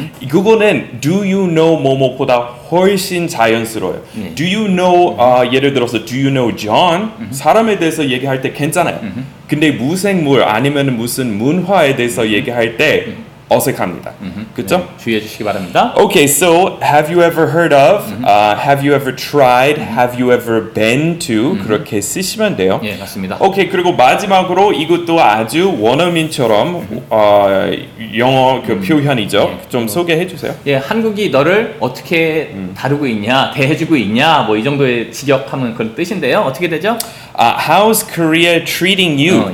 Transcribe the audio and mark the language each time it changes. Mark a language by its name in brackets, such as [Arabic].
[Korean] 그거는 [English] Do you know [Korean] 뭐뭐보다 훨씬 자연스러워요. [English] Do you know, [Korean] 예를 들어서 [English] Do you know John? [Korean] 사람에 대해서 얘기할 때 괜찮아요. 근데 무생물 아니면 무슨 문화에 대해서 얘기할 때 어색합니다. 그쵸? 네, 주의해 주시기 바랍니다. [English] Okay, so have you ever heard of, have you ever tried, have you ever been to, [Korean] 그렇게 쓰시면 돼요. 예, 맞습니다. Okay, 그리고 마지막으로 이것도 아주 원어민처럼 영어 그 표현이죠. 예, 좀 소개해 주세요. 예, 한국이 너를 어떻게 다루고 있냐, 대해주고 있냐, 뭐 이 정도의 지적하면 그런 뜻인데요. 어떻게 되죠? [English] How's Korea treating you?